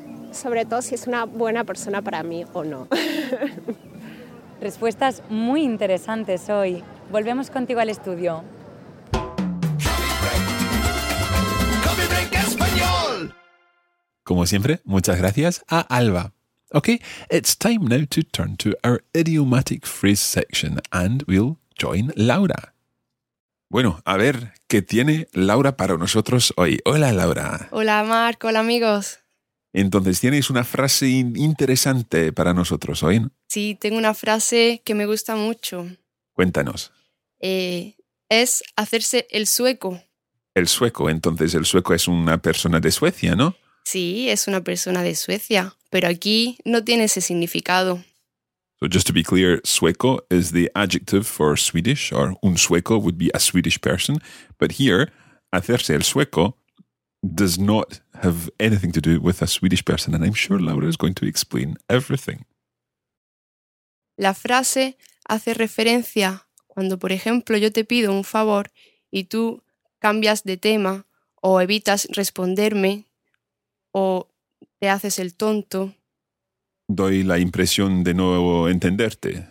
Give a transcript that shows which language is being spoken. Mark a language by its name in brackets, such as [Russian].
[Spanish] Sobre todo si es una buena persona para mí o no. Respuestas muy interesantes hoy. Volvemos contigo al estudio. Como siempre, muchas gracias a Alba. [English] Okay, it's time now to turn to our idiomatic phrase section and we'll join Laura. [Spanish] Bueno, a ver qué tiene Laura para nosotros hoy. Hola, Laura. Hola, Marc. Hola, amigos. Entonces, tienes una frase interesante para nosotros hoy, ¿no? Sí, tengo una frase que me gusta mucho. Cuéntanos. Es hacerse el sueco. El sueco. Entonces, el sueco es una persona de Suecia, ¿no? Sí, es una persona de Suecia, pero aquí no tiene ese significado. [English] So just to be clear, sueco is the adjective for Swedish, or un sueco would be a Swedish person. But here, hacerse el sueco does not have anything to do with a Swedish person, and I'm sure Laura is going to explain everything. [Spanish] La frase hace referencia cuando, por ejemplo, yo te pido un favor y tú cambias de tema o evitas responderme. O te haces el tonto. Doy la impresión de no entenderte.